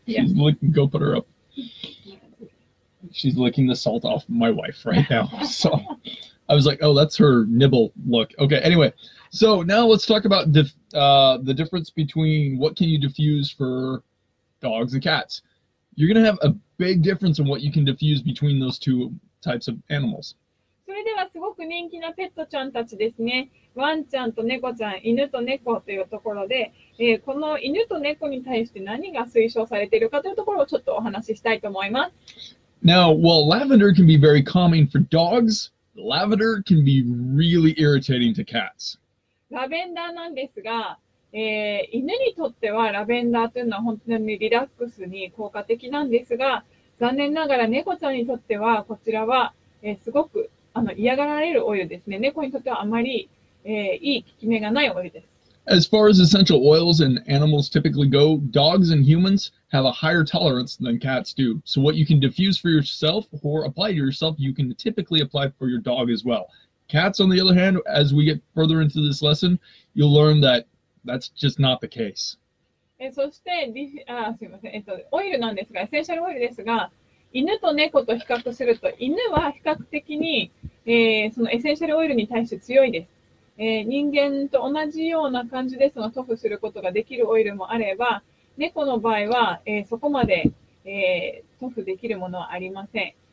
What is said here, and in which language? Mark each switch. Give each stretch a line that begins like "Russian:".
English: She's licking, go put her up. She's licking the salt off my wife right now. So I was like, oh, that's her nibble look. Okay, anyway. So now let's talk about the difference between what can you diffuse for... dogs and cats. You're going to have a big difference in what you can diffuse between those two types of animals.
Japanese: それではすごくく人気なペットちゃんたちですね。ワンちゃんと猫ちゃん、犬と猫というところで、この犬と猫に対して何が推奨されているかというところをちょっとお話ししたいと思います。
English: Now, while lavender can be very calming for dogs, lavender can be really irritating to cats.
Japanese: ラベンダーなんですが、犬にとってはラベンダーというのは本当にリラックスに効果的なんですが、残念ながら猫ちゃんにとってはこちらは、すごく嫌がられるオイルですね。猫にとってはあまり、いい効き目がないオイルです。
English: As far as essential oils in animals typically go, dogs and humans have a higher tolerance than cats do. So what you can diffuse for yourself or apply to yourself, you can typically apply for your dog as well. Cats, on the other hand, as we get further into this lesson, you'll learn that that's just not the case.
Japanese: そして、すいません、オイルなんですが、エッセンシャルオイルですが、犬と猫と比較すると、犬は比較的に、そのエッセンシャルオイルに対して強いです。人間と同じような感じですが、塗布することができるオイルもあれば、猫の場合は、そこまで、塗布できるものはありません。